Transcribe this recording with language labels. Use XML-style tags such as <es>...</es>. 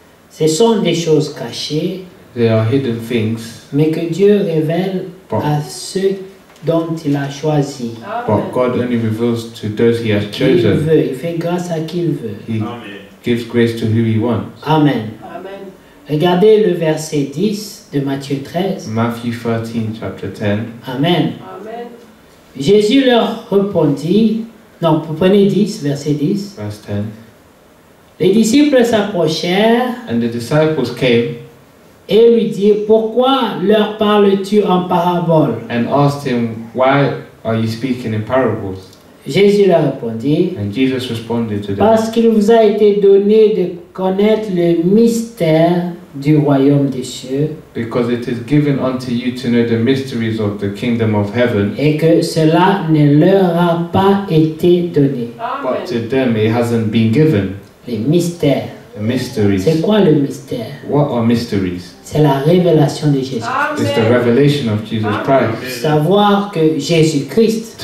<fr>Ce sont des choses cachées.</fr> <en>They are hidden things.</en> <fr>Mais que Dieu révèle à ceux dont il a choisi. Amen.</fr> <en>But God only reveals to those he has chosen.</en> <fr>Il veut, il fait grâce à qui il veut.</fr> <en>He gives grace to who he wants. Amen. Amen.</en> <fr>Regardez le verset 10 de Matthieu 13.</fr> <en>Matthew 13, chapter 10. Amen. Amen.</en> <fr>Jésus leur répondit. Non, prenez 10, verset 10.</fr> <en>Verse 10.</en> <fr>Les disciples s'approchèrent.</fr> <en>And the disciples came.</en> <fr>Et lui dirent, pourquoi leur parles-tu en parabole?</fr> <en>And asked him, why are you speaking in parables?</en> <fr>Jésus leur répondit.</fr> <en>And Jesus responded to them.</en> <fr>Parce qu'il vous a été donné de connaître le mystère du royaume des cieux.</fr> <en>Because it is given unto you to know the mysteries of the kingdom of heaven.</en> <fr>Et que cela ne leur a pas été donné. Amen.</fr> <en>But to them it hasn't been given.</en> <fr>Les mystères.</fr> <en>The mysteries.</en> <fr>C'est quoi le mystère?</fr> <en>What are mysteries?</en> <fr>C'est la révélation de Jésus. Amen.</fr> <en>It's the revelation of Jesus Christ.</en> <fr>Savoir que Jésus Christ.</fr>